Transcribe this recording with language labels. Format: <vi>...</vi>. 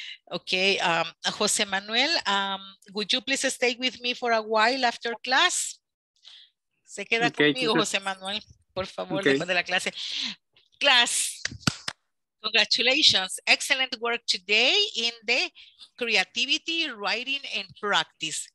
<en>Okay, José Manuel, would you please stay with me for a while after class?</en> <es>Se queda conmigo, José Manuel, por favor, después de la clase.</es> <en>Class, congratulations. Excellent work today in the creativity, writing, and practice.</en>